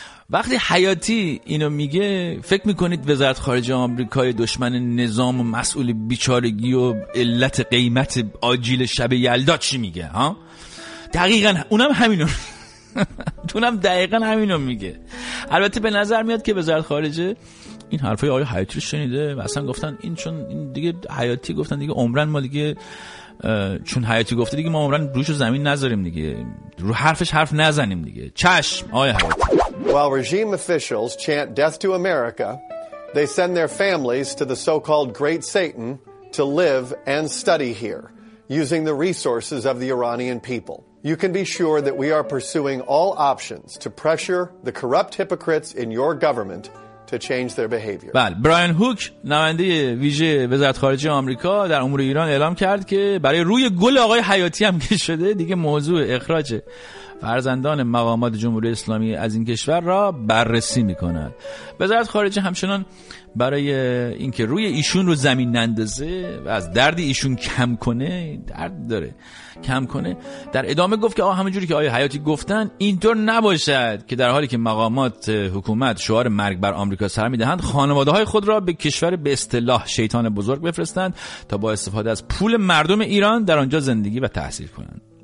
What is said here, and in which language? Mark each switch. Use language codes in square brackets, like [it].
[fa] وقتی حیاتی اینو میگه فکر میکنید وزارت خارجه آمریکای دشمن نظام و مسئول بیچارگی و علت قیمت آجیل شب یلدا چی میگه؟ ها دقیقا اونم همینو اونم دقیقا همینو میگه. البته به نظر میاد که وزارت خارجه این حرفای آقای حیاتی رو شنیده و اصلا گفتن این چون این دیگه حیاتی گفتن دیگه عمرن ما دیگه چون حیاتی گفته دیگه ما عمرن روش زمین نذاریم دیگه، رو حرفش حرف نزنیم دیگه. چشم آقای حیاتی. [en] While regime officials chant death to America, they send their families to the so-called Great Satan to live and study here, using the resources of the Iranian people. You can be sure that we are pursuing all options to pressure the corrupt hypocrites in your government to change their behavior. [fa] بله، براین هوک نماینده ویژه وزارت خارجه آمریکا در امور ایران اعلام کرد که برای روی گل آقای حیاتی هم که شده دیگه موضوع اخراج فرزندان مقامات جمهوری اسلامی از این کشور را بررسی میکند. وزارت خارجه همچنان برای اینکه روی ایشون رو زمین نندازه و از درد ایشون کم کنه، درد داره کم کنه، در ادامه گفت که همونجوری که آقای حیاتی گفتن اینطور نباشد که در حالی که مقامات حکومت شعار مرگ بر آمریکا سر میدهند، خانواده های خود را به کشور به اصطلاح شیطان بزرگ بفرستند تا با استفاده از پول مردم ایران در آنجا زندگی و تحصیل کنند.